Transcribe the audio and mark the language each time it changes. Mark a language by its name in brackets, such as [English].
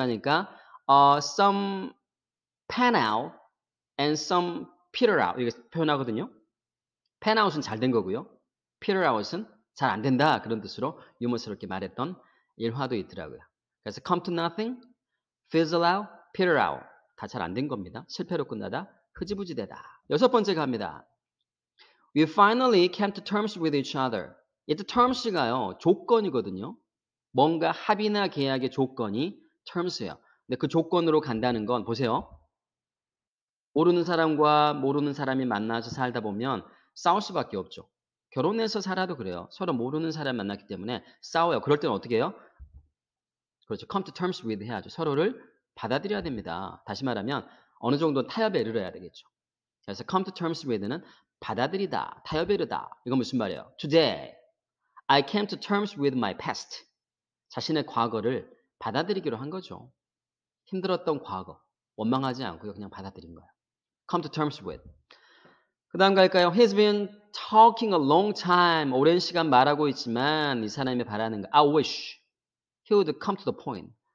[Korean] 하니까 [English] some pan out and some peter out [Korean] 이렇게 표현하거든요. [English] pan out [Korean] 은 잘된 거고요. [English] peter out [Korean] 은 잘안 된다. 그런 뜻으로 유머스럽게 말했던 일화도 있더라고요. 그래서 [English] come to nothing, fizzle out, peter out [Korean] 다잘안된 겁니다. 실패로 끝나다, 흐지부지 되다. 여섯 번째 갑니다. [English] We finally came to terms with each other. [Korean] It terms가요, 조건이거든요. 뭔가 합의나 계약의 조건이 terms예요. 근데 그 조건으로 간다는 건 보세요. 모르는 사람과 모르는 사람이 만나서 살다 보면 싸울 수밖에 없죠. 결혼해서 살아도 그래요. 서로 모르는 사람 만났기 때문에 싸워요. 그럴 때는 어떻게 해요? 그렇죠. Come to terms with 해야죠. 서로를 받아들여야 됩니다. 다시 말하면 어느 정도 타협에 이르러야 되겠죠. 그래서 come to terms with는 받아들이다, 타협에 이르다. 이건 무슨 말이에요? [English] Today, I came to terms with my past. [Korean] 자신의 과거를 받아들이기로 한 거죠. 힘들었던 과거, 원망하지 않고요. 그냥 받아들인 거예요. [English] Come to terms with. [Korean] 그 다음 갈까요? [English] He's been talking a long time. [Korean] 오랜 시간 말하고 있지만 이 사람이 바라는 거. [English] I wish he would come to the point.